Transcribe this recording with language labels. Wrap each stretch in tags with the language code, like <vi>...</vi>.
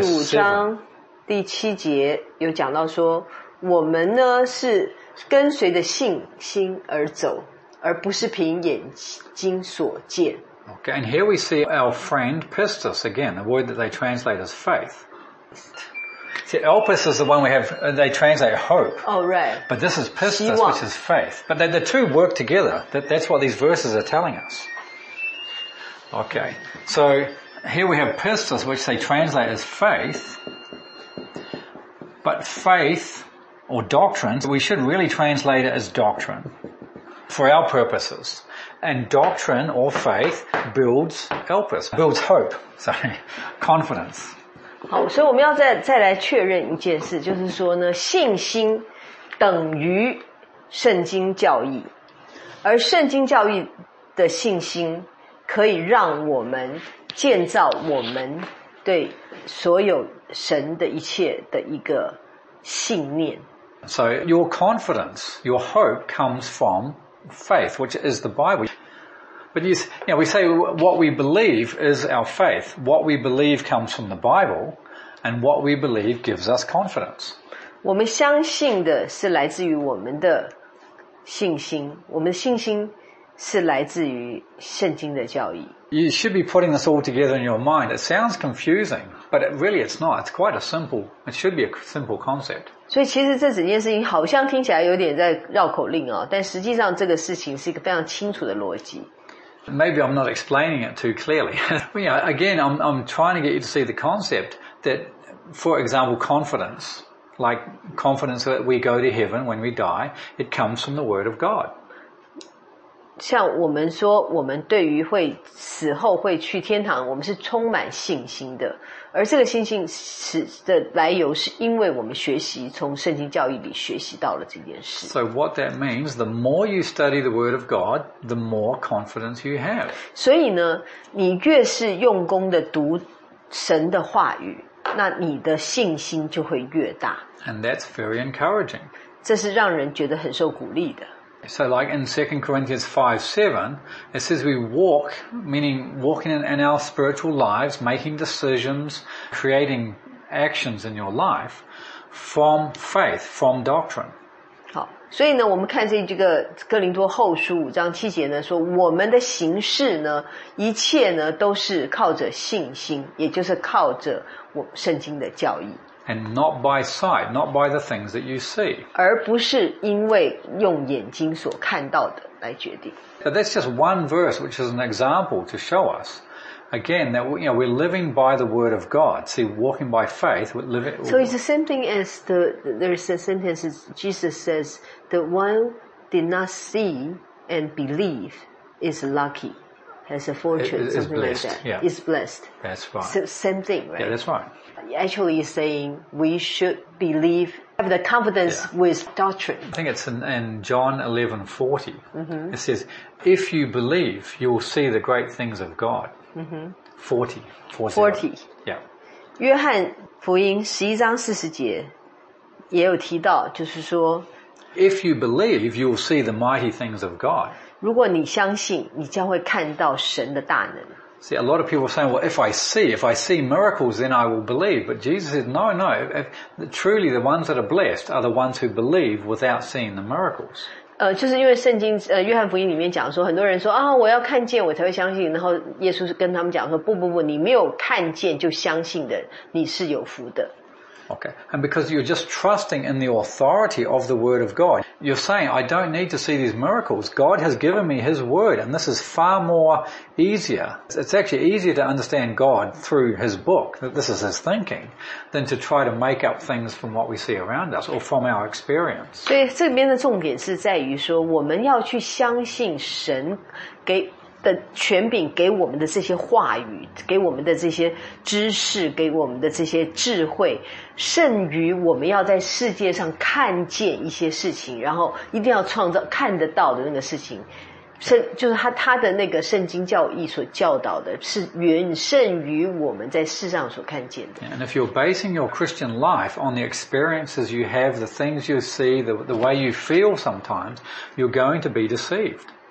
<zh>第五章第七节有讲到说，我们呢是跟随着信心而走，而不是凭眼睛所见。</zh> <en>Okay, and here we see our friend pistis again, the word that they translate as faith. See, elpis is the one we have, they translate hope. Oh, right. But this is pistis, which is faith. But the two work together. That's what these verses are telling us. Okay, so here we have pistis, which they translate as faith. But faith, or doctrine, we should really translate it as doctrine for our purposes. And doctrine or faith builds elpis, builds hope, sorry, confidence.</en> <zh>好，所以我们要再来确认一件事，就是说呢，信心等于圣经教义，而圣经教义的信心可以让我们建造我们对所有神的一切的一个信念。</zh> <en>So your confidence, your hope comes from. Faith, which is the Bible. But you know, we say what we believe is our faith. What we believe comes from the Bible, and what we believe gives us confidence.</en> <zh>我们相信的是来自于我们的信心。我们的信心是来自于圣经的教义。</zh> <en>You should be putting this all together in your mind. It sounds confusing, but really it's not. It's quite a simple, it should be a simple concept.</en> <zh>所以其实这几件事情好像听起来有点在绕口令哦，但实际上这个事情是一个非常清楚的逻辑。</zh> <en>Maybe I'm not explaining it too clearly. But yeah, again, I'm trying to get you to see the concept that, for example, confidence, like confidence that we go to heaven when we die, it comes from the word of God.</en> <zh>像我们说我们对于会死后会去天堂我们是充满信心的而这个信心的来由是因为我们学习从圣经教义里学习到了这件事</zh> <en>So what that means the more you study the word of God the more confidence you have</en> <zh>所以呢你越是用功的读神的话语那你的信心就会越大</zh> <en>And that's very encouraging</en> <zh>这是让人觉得很受鼓励的</zh> <en>So like in 2 Corinthians 5:7, it says we walk, meaning walking in our spiritual lives, making decisions, creating actions in your life, from faith, from doctrine.</en> <zh>好，所以呢，我们看这个哥林多后书五章七节呢，说我们的行事呢，一切呢都是靠着信心，也就是靠着我圣经的教义。</zh> <en>And not by sight, not by the things that you see.</en> <zh>而不是因为用眼睛所看到的来决定。</zh> <en>But that's just one verse, which is an example to show us, again, that you know, we're living by the word of God. See, walking by faith, we're living... So it's the same thing as there's a sentence Jesus says, the one did not see and believe is lucky, has a fortune, something like that. Is blessed. That's right. So, same thing, right? Yeah, that's right. Actually saying we should believe, have the confidence with doctrine. I think it's in John 11:40. Mm-hmm. It says, if you believe, you will see the great things of God. Mm-hmm. 40. Yeah.</en> <zh>约翰福音11章40节也有提到就是说</zh> <en>If you believe, you will see the mighty things of God.</en> <zh>如果你相信你将会看到神的大能。</zh> <en>See, a lot of people are saying, well, if I see miracles, then I will believe. But Jesus said, no, truly the ones that are blessed are the ones who believe without seeing the miracles.</en> <zh>就是因为圣经约翰福音里面讲说很多人说啊我要看见我才会相信然后耶稣跟他们讲说不你没有看见就相信的你是有福的。</zh> <en>Okay. And because you're just trusting in the authority of the word of God, you're saying, I don't need to see these miracles. God has given me his word, and this is far more easier. It's actually easier to understand God through his book, that this is his thinking, than to try to make up things from what we see around us or from our experience.</en> <zh>所以这边的重点是在于说我们要去相信神给的权柄给我们的这些话语给我们的这些知识给我们的这些智慧甚于我们要在世界上看见一些事情然后一定要创造看得到的那个事情就是他的那个圣经教义所教导的是远胜于我们在世上所看见的</zh> <en>And if you're basing your Christian life on the experiences you have the things you see the way you feel sometimes you're going to be deceived</en>